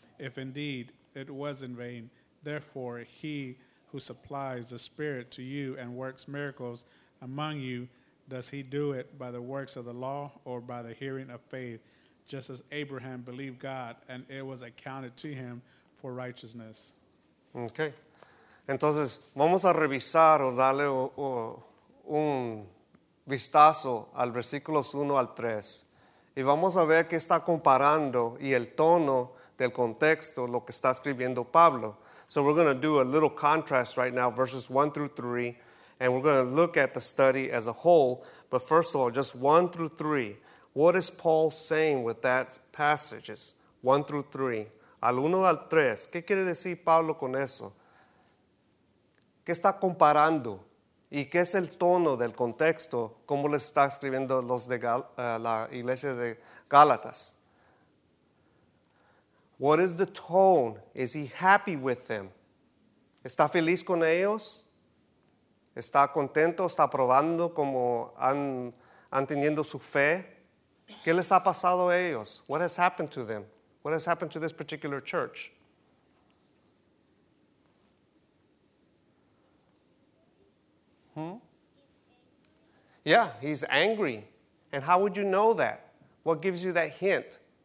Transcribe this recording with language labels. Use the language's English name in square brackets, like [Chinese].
[English] If indeed it was in vain, therefore he who supplies the Spirit to you and works miracles among you, does he do it by the works of the law or by the hearing of faith? Just as Abraham believed God and it was accounted to him for righteousness. Okay. [Spanish] Entonces, vamos a revisar o darle un vistazo al versículos 1 al 3. Y vamos a ver qué está comparando y el tono del contexto, lo que está escribiendo Pablo. [English] So we're going to do a little contrast right now, verses 1 through 3. And we're going to look at the study as a whole. But first of all, just 1 through 3. What is Paul saying with that passages, 1 through 3? [Spanish] Al 1 al 3, ¿qué quiere decir Pablo con eso? ¿Qué está comparando? ¿Y qué es el tono del contexto? ¿Cómo les está escribiendo los de la iglesia de Gálatas? [English] What is the tone? Is he happy with them? [Spanish] ¿Está feliz con ellos? ¿Está contento? ¿Está probando como han teniendo su fe? ¿Qué les ha pasado a ellos? [English] What has happened to them? What has happened to this particular church? Yeah, he's angry. And how would you know that? What gives you that hint?